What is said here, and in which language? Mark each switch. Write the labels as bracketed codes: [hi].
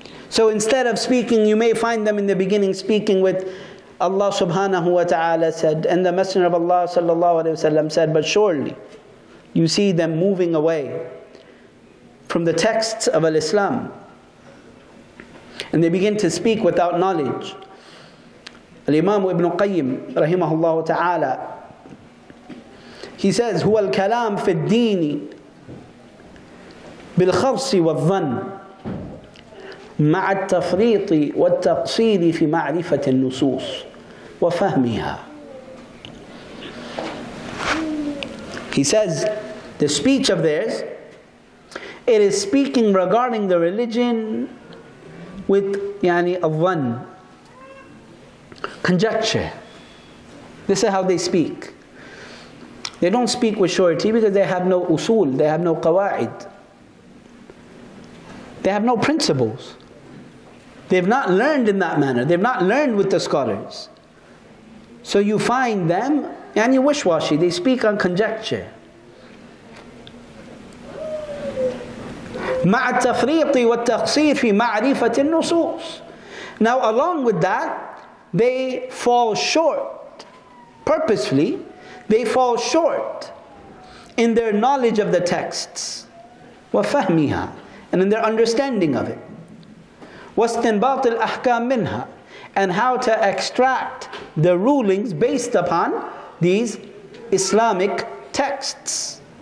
[en] So instead of speaking, you may find them in the beginning speaking with Allah subhanahu wa ta'ala said, and the Messenger of Allah sallallahu alayhi wa sallam said, but surely you see them moving away from the texts of al-Islam. And they begin to speak without knowledge. Al-Imam Ibn Qayyim, rahimahullah ta'ala, he says, [ar] هو الكلام في الدين بالخرص والظن مع التفريط والتقصير في معرفة النصوص وفهمها. [en] He says, the speech of theirs, it is speaking regarding the religion with yani a one conjecture. This is how they speak. They don't speak with surety because they have no usul, they have no qawaid. They have no principles. They've not learned in that manner. They've not learned with the scholars. So you find them, yani wishwashi, they speak on conjecture. [ar] مع التفريط والتقصير في معرفة النصوص. [en] Now along with that, they fall short, purposefully, they fall short in their knowledge of the texts, [ar] وفهمها, [en] and in their understanding of it. [ar] واستنباط الأحكام منها, [en] and how to extract the rulings based upon these Islamic texts.